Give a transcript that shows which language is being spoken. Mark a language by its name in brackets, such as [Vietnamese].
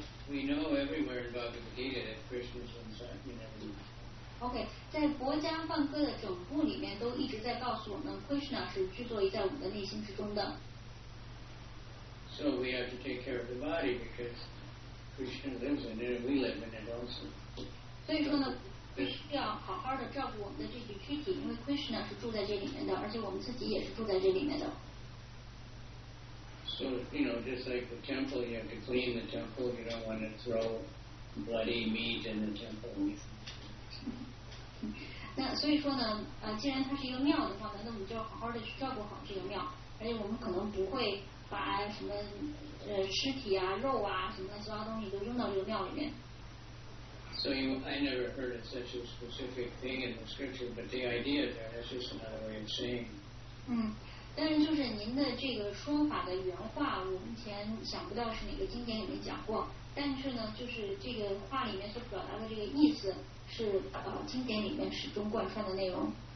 [English] We know everywhere in Bhagavad Gita that Krishna is inside, you know. [Chinese] Okay, 在佛家梵歌的整部里面都一直在告诉我们 Krishna 是居坐于在我们的内心之中的。 [English] So we have to take care of the body because Krishna lives in it and we live in it also. [Chinese] 所以说呢，必须要好好的照顾我们的这具躯体，因为 Krishna 是住在这里面的，而且我们自己也是住在这里面的。 [English] So you know, just like the temple, you have to clean the temple. You don't want to throw bloody meat in the temple. [Chinese] 那所以说呢，既然它是一个庙的话呢，那我们就要好好的去照顾好这个庙，而且我们可能不会把什么尸体啊、肉啊什么的其他东西都扔到这个庙里面。 [English] So I never heard of such a specific thing in the scripture, but the idea there is just another way of saying. [Chinese] 但是就是您的这个说法的原话，我目前想不到是哪个经典里面讲过。但是呢，就是这个话里面所表达的这个意思是经典里面始终贯穿的内容。